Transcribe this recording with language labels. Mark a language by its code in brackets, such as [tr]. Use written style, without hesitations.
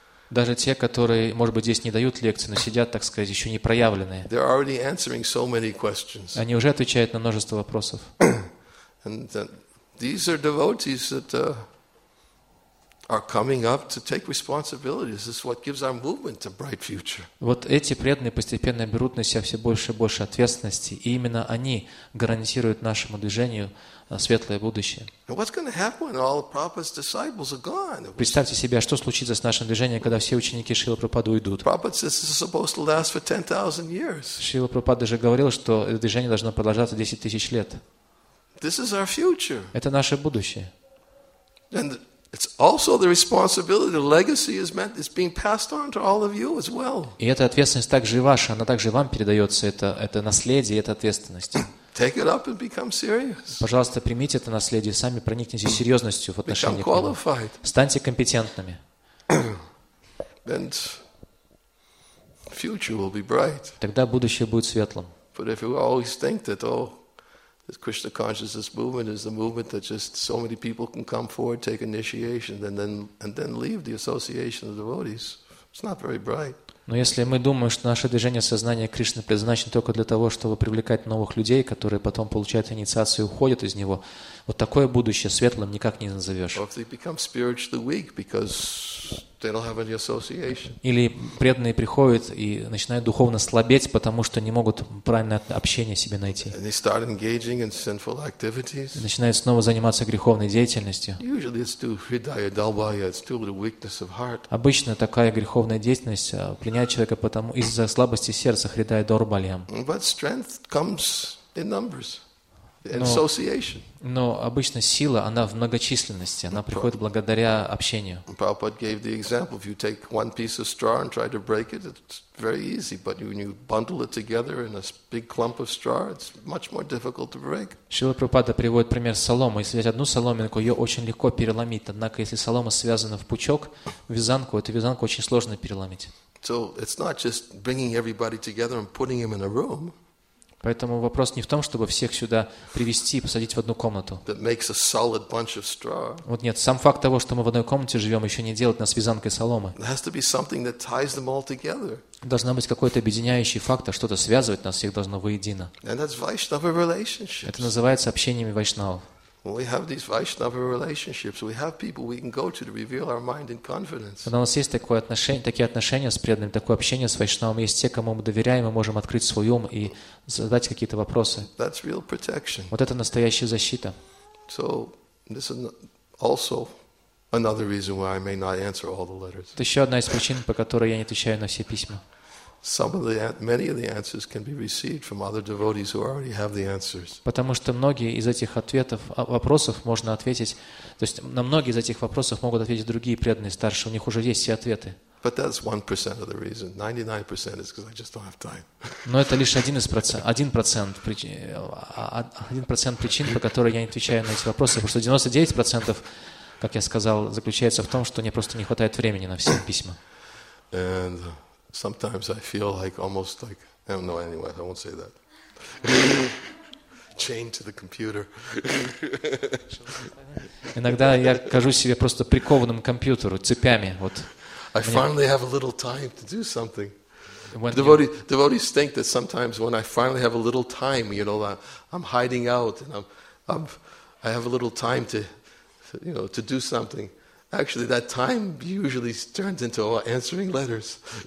[ru] Даже те, которые, может быть, здесь не дают лекции, но сидят, так сказать, еще не проявленные. Они уже отвечают на множество вопросов. [en] These are devotees that are coming up to take responsibility. This is what gives our movement a bright future. [ru] Вот эти преданные постепенно берут на себя все больше и больше ответственности, и именно они гарантируют нашему движению светлое будущее. [en] And what's going to happen when all the Prabhupada's disciples are gone? [ru] Представьте себе, что случится с нашим движением, когда все ученики Шрилы Прабхупады уйдут. [en] Prabhupada says this is supposed to last for 10,000 years. [ru] Шрила Прабхупада же говорил, что это движение должно продолжаться 10,000 лет. [en] This is our future. [ru] Это наше будущее. [en] And it's also the responsibility. The legacy is meant is being passed on to all of you as well. [ru] И эта ответственность также и ваша, она также вам передается. Это наследие, это ответственность. [en] Take it up and become serious. [ru] Пожалуйста, примите это наследие, сами проникнитесь серьезностью в отношении к нему. Станьте компетентными. [en] And future will be bright. [ru] Тогда будущее будет светлым. [en] But if you always think that, oh, this Krishna consciousness movement is the movement that just so many people can come forward, take initiation, and then leave the association of devotees. It's not very bright. [ru] Но если мы думаем, что наше движение сознания Кришны предназначено только для того, чтобы привлекать новых людей, которые потом получают инициацию и уходят из него, вот такое будущее светлым никак не назовешь. [en] Or if they become spiritually weak because they don't have any association. [ru] Или преданные приходят и начинают духовно слабеть, потому что не могут правильное общение себе найти. [en] And they start engaging in sinful activities. [ru] И начинают снова заниматься греховной деятельностью. [en] Usually it's due to hridaya dalbhaya, it's due to weakness of heart. [ru] Обычно такая греховная деятельность пленяет человека потому из-за слабости сердца, hridaya dorbalyam. [en] But strength comes in numbers. Association. [ru] Но обычно сила, она в многочисленности, она приходит благодаря общению. [en] Prabhupada gave the example: if you take one piece of straw and try to break it, it's very easy. But when you bundle it together in a big clump of straw, it's much more difficult to break. [ru] Шрила Прабхупада приводит пример соломы. Если взять одну соломинку, ее очень легко переломить. Однако, если солома связана в пучок, вязанку, эту вязанку очень сложно переломить. So it's not just bringing everybody together and putting them in a room. Поэтому вопрос не в том, чтобы всех сюда привести и посадить в одну комнату. Вот нет, сам факт того, что мы в одной комнате живем, еще не делает нас вязанкой соломы. Должна быть какой-то объединяющий фактор, что-то связывает нас, всех должно воедино. Это называется общениями вайшнавов. [en] When we have these Vaishnava relationships, we have people we can go to reveal our mind in confidence. [ru] Когда у нас есть такое отношение, такие отношения с преданными, такое общение с вайшнавами, есть те, кому мы доверяем, мы можем открыть свой ум и задать какие-то вопросы. [en] That's real protection. [ru] Вот это настоящая защита. [en] So this is also another reason why I may not answer all the letters. [ru] Это еще одна из причин, по которой я не отвечаю на все письма. [en] Many of the answers can be received from other devotees who already have the answers. [ru] Потому что многие из этих ответов, вопросов можно ответить, то есть на многие из этих вопросов могут ответить другие преданные старшие, у них уже есть все ответы. [en] But that's 1% of the reason. 99% is because I just don't have time. [ru] Но это лишь 1% причин, по которой я не отвечаю на эти вопросы, потому что 99%, как я сказал, заключается в том, что мне просто не хватает времени на все письма. [en] And sometimes I feel like almost like no, anyway, I won't say that. Chained to the computer. [ru] Иногда я кажусь себе просто прикованным к компьютеру цепями. Вот. [en] I finally have a little time to do something. Devotees think that sometimes when I finally have a little time, you know, I'm hiding out and I have a little time to, you know, to do something. Actually, that time usually turns into answering letters.